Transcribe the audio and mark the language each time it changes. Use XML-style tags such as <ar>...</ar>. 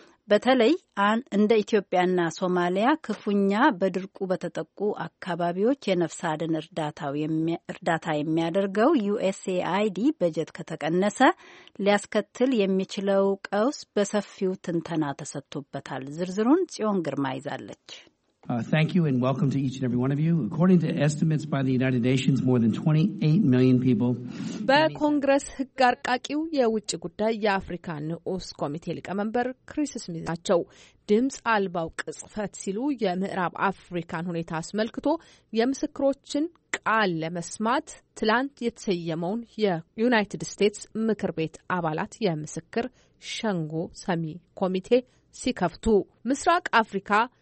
<am>በተለይ እንደ ኢትዮጵያና ሶማሊያ ክፉኛ በድርቁ በተጠቁ አካባቢዎች የነፍስ አድን እርዳታ የሚያደርገው ዩኤስኤአይዲ በጀት ከተቀነሰ ሊያስከትል የሚችለው ቀውስ በሰፊው ትንተና ተሰጥቶበታል። ዝርዝሩን ጽዮን ግርማ ይዛለች።</am> <en>Thank you and welcome to each and every one of you. According to estimates by the United Nations, more than 28 million people.</en> <am>በኮንግረስ ህግ አርቃቂው የውጭ ጉዳይ የአፍሪካ ንዑስ ኮሚቴ ሊቀመንበር ክሪስ ስሚዝ ናቸው። ድምጽ አልባው ቅጽፈት ሲሉ የምዕራብ አፍሪካን ሁኔታ አስመልክቶ የምስክሮችን ቃል ለመስማት ትላንት የተሰየመውን የዩናይትድ ስቴትስ ምክር ቤት አባላት የምስክር ሸንጎ ሰሚ ኮሚቴ ሲከፍቱ ምስራቅ አፍሪካ</am>